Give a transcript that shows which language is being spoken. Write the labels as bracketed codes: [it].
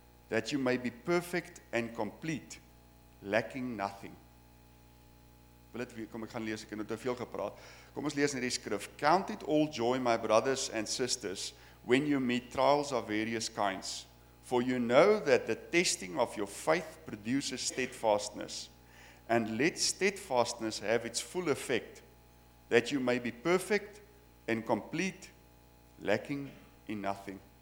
[en] That you may be perfect and complete, lacking nothing. [af] Kom ons lees in die skrif. [en] Count it all joy, my brothers and sisters, when you meet trials of various kinds. For you know that the testing of your faith produces steadfastness. And let steadfastness have its full effect, that you may be perfect and complete, lacking in nothing.